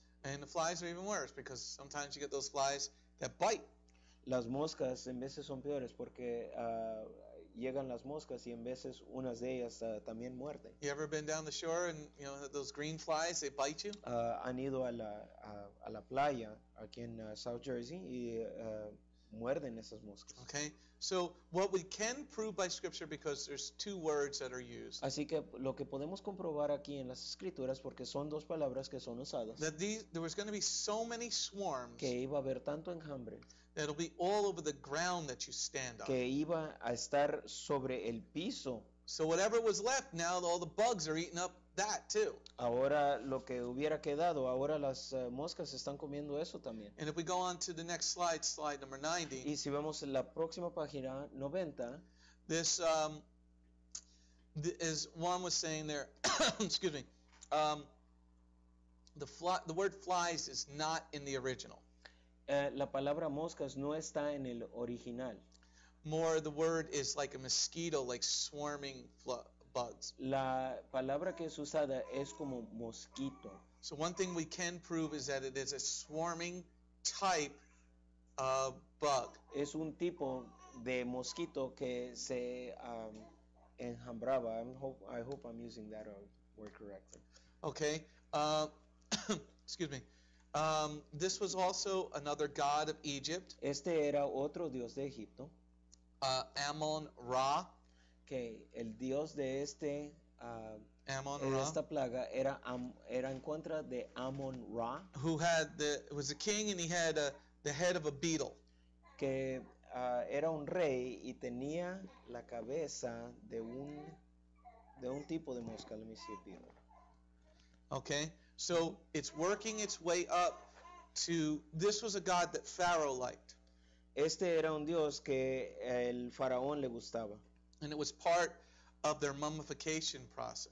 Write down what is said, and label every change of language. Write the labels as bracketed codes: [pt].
[en] And the flies are even worse because sometimes you get those flies that bite. [es] Las moscas en veces son peores porque llegan las moscas y en veces unas de ellas también muerden. [en] You ever been down the shore and you know those green flies, they bite you? [es] Han ido a la playa aquí en South Jersey y muerden esas moscas. [en] Okay. So what we can prove by scripture because there's two words that are used. [es] Así que lo que podemos comprobar aquí en las escrituras porque son dos palabras que son usadas. [en] That there was going to be so many swarms. [es] Que iba a haber tanto enjambre. [en] That'll be all over the ground that you stand on. [es] Que iba a estar sobre el piso. [en] So whatever was left, now all the bugs are eating up that too. [es] Ahora lo que hubiera quedado, ahora las moscas están comiendo eso también. [en] And if we go on to the next slide, slide number 90. [es] Y si vemos la próxima página 90. [en] This is Juan was saying there. excuse me. The word flies is not in the original. [es] La palabra moscas no está en el original. [en] More the word is like a mosquito, like swarming bugs. [es] La palabra que es usada es como mosquito. [en] So one thing we can prove is that it is a swarming type bug. [es] Es un tipo de mosquito que se enjambraba. [en] I hope I'm using that word correctly. Okay. excuse me. This was also another god of Egypt. [es] Este era otro dios de Egipto. [en] Amon Ra. [es] Que el dios de este Amon de Ra. Esta plaga era era en contra de Amon Ra. [en] Who had was a king and he had the head of a beetle. [es] Que era un rey y tenía la cabeza de un tipo de mosca, [en] let me see a beetle. Okay. So it's working its way up to this was a god that Pharaoh liked. [es] Este era un dios que el faraón le gustaba. [en] And it was part of their mummification process.